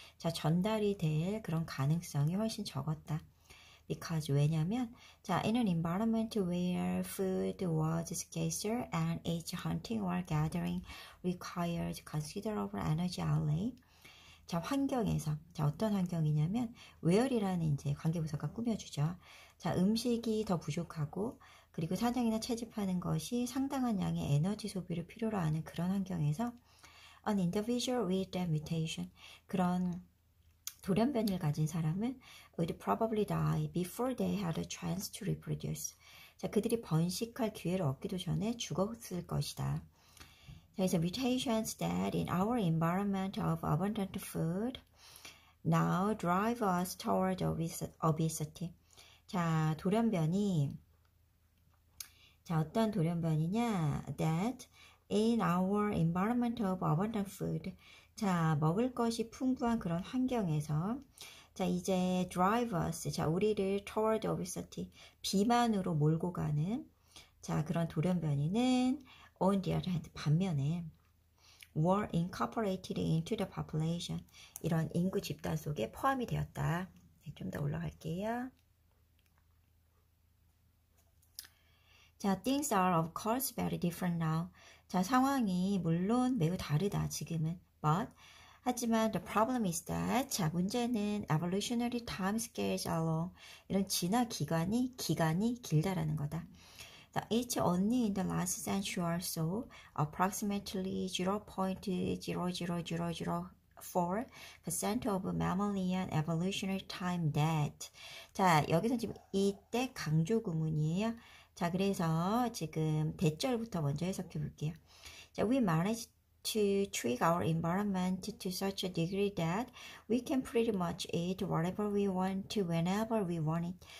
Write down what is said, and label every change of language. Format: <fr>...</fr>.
<ko>자, 전달이 될 그런 가능성이 훨씬 적었다.</ko> <en>Because,</en> <ko>왜냐면,</ko> <en>자, in an environment where food was scarcer and each hunting or gathering required considerable energy outlay.</en> <ko>자, 환경에서, 자, 어떤 환경이냐면, where 이라는 이제 관계부사가 꾸며주죠. 자, 음식이 더 부족하고, 그리고 사냥이나 채집하는 것이 상당한 양의 에너지 소비를 필요로 하는 그런 환경에서,</ko> <en>an individual with that mutation,</en> <ko>그런 돌연변이를 가진 사람은</ko> <en>would probably die before they had a chance to reproduce.</en> <ko>자, 그들이 번식할 기회를 얻기도 전에 죽었을 것이다. 그래서</ko> <en>mutations that in our environment of abundant food now drive us toward obesity.</en> <ko>자, 돌연변이. 자, 어떤 돌연변이냐?</ko> <en>That in our environment of abundant food.</en> <ko>자, 먹을 것이 풍부한 그런 환경에서, 자, 이제</ko> <en>drive us,</en> <ko>자, 우리를</ko> <en>toward obesity,</en> <ko>비만으로 몰고 가는, 자, 그런 돌연변이는,</ko> <en>on the other hand,</en> <ko>반면에,</ko> <en>were incorporated into the population,</en> <ko>이런 인구 집단 속에 포함이 되었다. 좀더 올라갈게요.</ko> <en>자, things are of course very different now.</en> <ko>자, 상황이 물론 매우 다르다, 지금은.</ko> <en>But,</en> <ko>하지만</ko> <en>the problem is that, 자,</en> <ko>문제는</ko> <en>evolutionary time scales are long.</en> <ko>이런 진화 기간이 길다라는 거다.</ko> <en>It's only in the last century or so, approximately 0.00004% of mammalian evolutionary time that.</en> <ko>자, 여기서 지금 이때 강조 구문이에요. 자, 그래서 지금 대절부터 먼저 해석해 볼게요.</ko> <en>자, we managed to tweak our environment to such a degree that we can pretty much eat whatever we want to whenever we want it.</en>